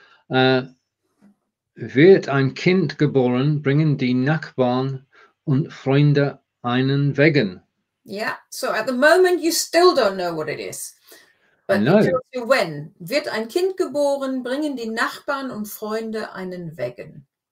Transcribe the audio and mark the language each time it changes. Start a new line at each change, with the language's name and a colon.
German: Wird ein Kind geboren, bringen die Nachbarn und Freunde einen Wagen.
English: Yeah, so at the moment you still don't know what it is. But no. It tells you when.
German: Wird ein Kind geboren, bringen die Nachbarn und Freunde einen Wagen.